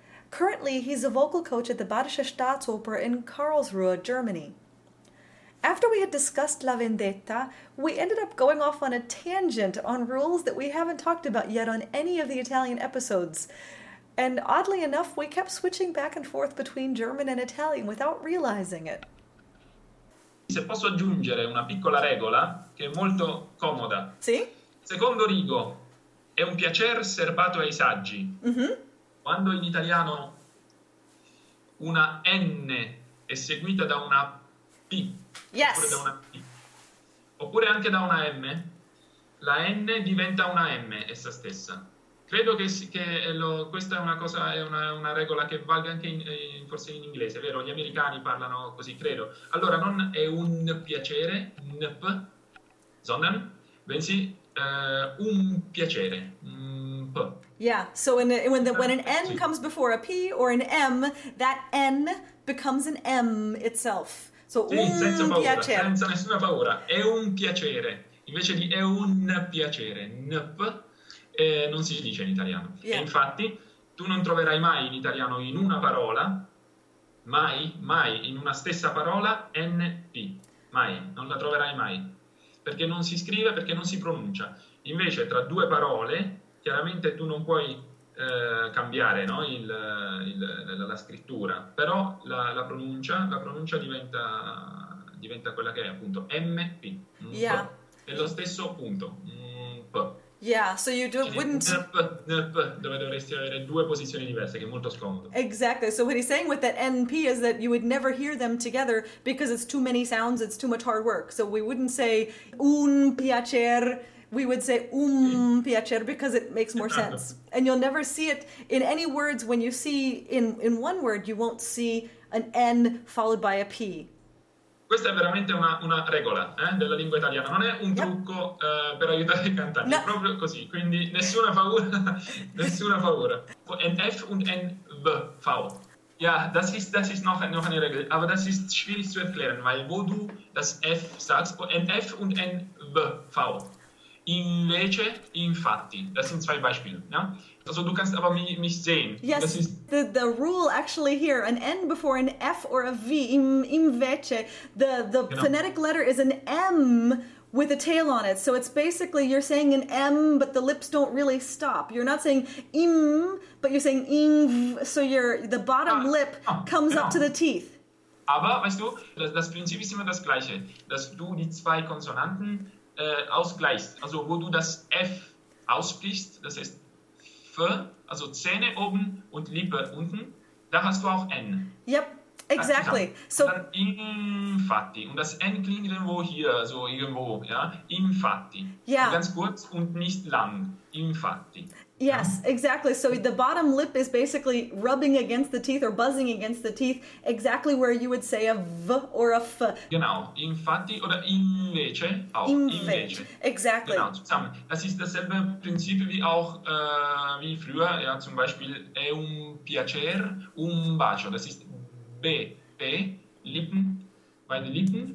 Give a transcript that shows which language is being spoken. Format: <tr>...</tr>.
<en>Currently, he's a vocal coach at the Badische Staatsoper in Karlsruhe, Germany. After we had discussed La Vendetta, we ended up going off on a tangent on rules that we haven't talked about yet on any of the Italian episodes. And oddly enough, we kept switching back and forth between German and Italian without realizing it.</en> <it>Se posso aggiungere una piccola regola che è molto comoda. Sì? Secondo Rigo, è un piacere serbato ai saggi. Mm-hmm. Quando in italiano una N è seguita da una P,</it> <en>yes,</en> <it>oppure da una P, oppure anche da una M, la N diventa una M essa stessa. Credo che questa è una regola che valga anche forse in inglese, vero? Gli americani parlano così, credo. Allora, non è un piacere, np, sondern, bensì un piacere, np.</it> <en>Yeah, so when an N sì. comes before a P or an M, that N becomes an M itself. So</en> <it>sì, un senza paura, piacere. Senza nessuna paura, è un piacere. Invece di è un piacere, np, non si dice in italiano.</it> <en>Yeah.</en> <it>E infatti, tu non troverai mai in italiano in una parola, mai, mai, in una stessa parola, NP. Mai, non la troverai mai. Perché non si scrive, perché non si pronuncia. Invece, tra due parole, chiaramente tu non puoi cambiare, no? la scrittura. Però la pronuncia diventa quella che è, appunto, MP.</it> <en>Yeah.</en> <it>È lo stesso punto, P.</it> <en>Yeah, so you do, wouldn't...</en> <it>Dove dovresti avere due posizioni diverse, che è molto scomodo.</it> <en>Exactly, so what he's saying with that NP is that you would never hear them together because it's too many sounds, it's too much hard work. So we wouldn't say un piacere, we would say piacere because it makes more sense. And you'll never see it in any words. When you see in one word, you won't see an N followed by a P.</en> <it>Questa è veramente una regola della lingua italiana, non è un trucco per aiutare i cantanti, no. È proprio così, quindi nessuna paura, nessuna paura.</it> <de>Ein F und ein V, V. Ja, das ist noch eine Regel, aber das ist schwierig zu erklären, weil wo du das F sagst, ein F und ein V, V. Invece, infatti, das sind zwei Beispiele, ja? Also du kannst aber mich sehen.</de> <en>Yes,</en> <de>das ist</de> <en>the rule actually here, an N before an F or a V, invece, the</en> <de>genau.</de> <en>Phonetic letter is an M with a tail on it. So it's basically you're saying an M, but the lips don't really stop. You're not saying im, but you're saying inv, so the bottom lip comes</en> <de>genau.</de> <en>up to the teeth.</en> <de>Aber, weißt du, das Prinzip ist immer das gleiche, dass du die zwei Konsonanten ausgleichst. Also wo du das F aussprichst, das ist also Zähne oben und Lippe unten, da hast du auch N.</de> <en>Yep, exactly. So, infatti.</en> <de>Und das N klingt irgendwo hier, so irgendwo, ja?</de> <it>Infatti.</it> <en>Yeah.</en> <de>Ganz kurz und nicht lang.</de> <it>Infatti.</it> <en>Yes, exactly. So the bottom lip is basically rubbing against the teeth or buzzing against the teeth, exactly where you would say a V or a F.</en> <de>Genau. Infatti oder invece. Auch.</de> <en>Invece. Exactly.</en> <de>Genau, zusammen. Das ist dasselbe Prinzip wie auch wie früher, ja, zum Beispiel</de> <it>è un piacere, un bacio.</it> <de>Das ist B, Lippen, beide Lippen.</de>